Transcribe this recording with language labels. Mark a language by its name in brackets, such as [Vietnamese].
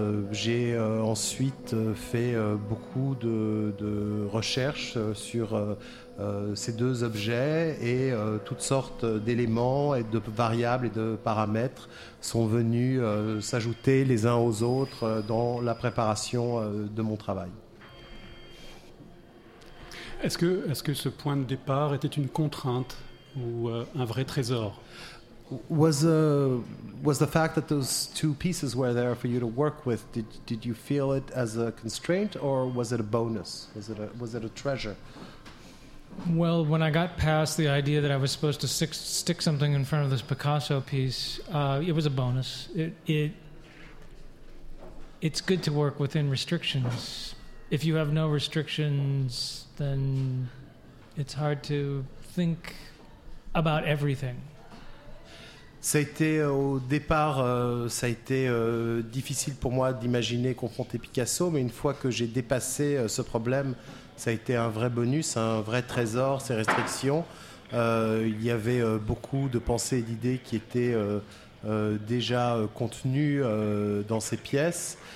[French] J'ai ensuite fait beaucoup de recherches sur ces deux objets et toutes sortes d'éléments et de variables et de paramètres sont venus s'ajouter les uns aux autres dans la préparation de mon travail. Est-ce que ce point de départ était une contrainte ou un vrai trésor? [English] Was the fact that those two pieces were there for you to work with, did you feel it as a constraint or was it a bonus? Was it a treasure? Well, when I got past the idea that I was supposed to stick something in front of this Picasso piece, it was a bonus. It's good to work within restrictions. If you have no restrictions, then it's hard to think about everything. [French] Ça a été au départ, ça a été difficile pour moi d'imaginer confronter Picasso, mais une fois que j'ai dépassé ce problème, ça a été un vrai bonus, un vrai trésor, ces restrictions. Il y avait beaucoup de pensées et d'idées qui étaient déjà contenues dans ces pièces.